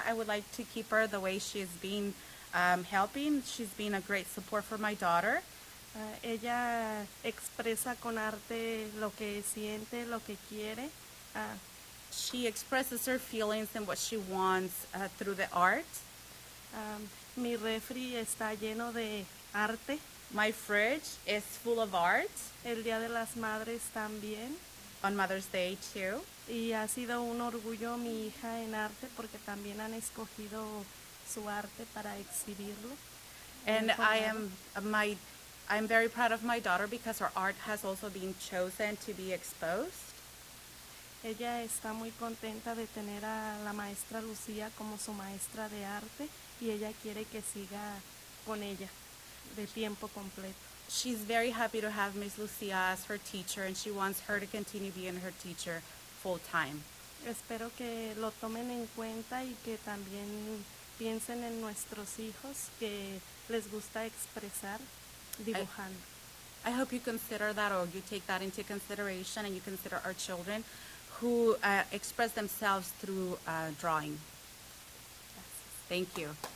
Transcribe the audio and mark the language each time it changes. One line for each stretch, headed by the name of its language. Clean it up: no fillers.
English: I would like to keep her the way she's been helping. She's been a great support for my daughter.
Spanish: Ella expresa con arte lo que siente, lo que quiere.
English: She expresses her feelings and what she wants through the art.
Spanish: Mi refri está lleno de arte.
English: My fridge is full of art.
Spanish: El Día de las Madres también.
English: On Mother's Day too.
Spanish: Y ha sido un orgullo mi hija en arte porque también han escogido su arte para exhibirlo.
English: And I'm very proud of my daughter because her art has also been chosen to be exposed.
Spanish: Ella está muy contenta de tener a la maestra Lucía como su maestra de arte. Y ella quiere que siga con ella de tiempo completo.
English: She's very happy to have Miss Lucia as her teacher, and she wants her to continue being her teacher full time.
Spanish: Espero que lo tomen en cuenta y que también piensen en nuestros hijos que les gusta expresar dibujando.
English: I hope you consider that, or you take that into consideration, and you consider our children who express themselves through drawing. Thank you.